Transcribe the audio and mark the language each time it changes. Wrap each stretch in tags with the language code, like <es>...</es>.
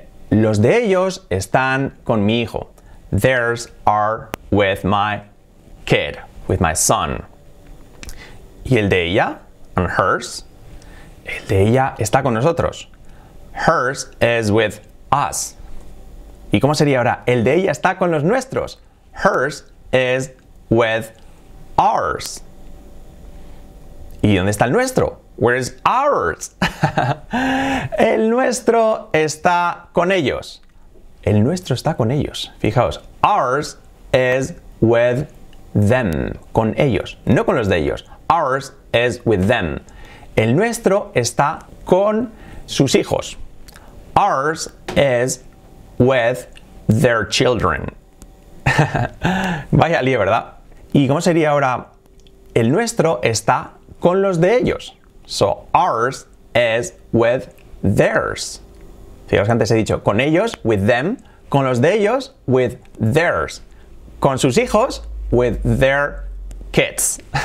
<es>Los de ellos están con mi hijo.</es> <en>Theirs are with my kid, with my son.</en> <es>¿Y el de ella?</es> <en>And hers.</en> <es>El de ella está con nosotros.</es> <en>Hers is with us.</en> <es>¿Y cómo sería ahora? El de ella está con los nuestros.</es> <en>Hers is with ours.</en> <es>¿Y dónde está el nuestro?</es> <en>Where is ours?</en> <es>El nuestro está con ellos. El nuestro está con ellos. Fijaos,</es> <en>ours is with them.</en> <es>Con ellos, no con los de ellos.</es> <en>Ours is with them.</en> <es>El nuestro está con sus hijos.</es> <en>Ours is with their children.</en> <es>Vaya lío, ¿verdad? ¿Y cómo sería ahora? El nuestro está con los de ellos.</es> <en>So, ours is with theirs.</en> <es>Fijaos que antes he dicho con ellos,</es> <en>with them.</en> <es>Con los de ellos,</es> <en>with theirs.</en> <es>Con sus hijos,</es> <en>with their kids.</en>